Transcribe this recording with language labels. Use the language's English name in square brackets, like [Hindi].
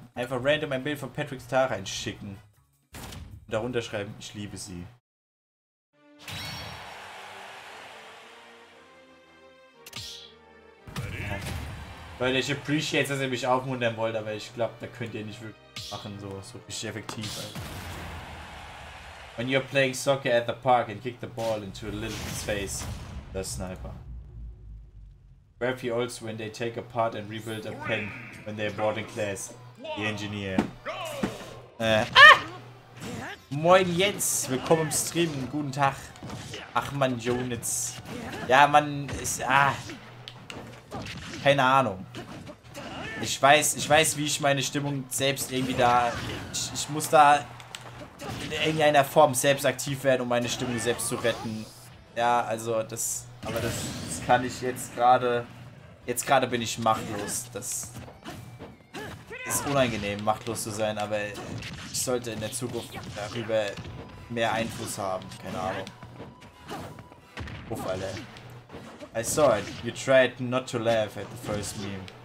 [German] Einfach random ein Bild von Patrick Star reinschicken. Und darunter schreiben, ich liebe sie. Leute, ich appreciate, dass ihr mich aufmuntern wollt, aber ich glaube, da könnt ihr nicht wirklich machen, so richtig effektiv, Alter. [English] When you're playing soccer at the park and kick the ball into a little face, the sniper. Graffy also when they take apart and rebuild a pen when they're bored in class, the engineer. [German] Moin Jens, willkommen im Stream, guten Tag. Ach man, Jonitz. Ja, man ist, keine Ahnung. Ich weiß, wie ich meine Stimmung selbst irgendwie da. Ich muss da in irgendeiner Form selbst aktiv werden, um meine Stimmung selbst zu retten. Ja, also das. Aber das kann ich jetzt gerade. Jetzt gerade bin ich machtlos. Das ist unangenehm, machtlos zu sein, aber ich sollte in der Zukunft darüber mehr Einfluss haben. Keine Ahnung. Uff, Alter. [English] I saw it. You tried not to laugh at the first meme.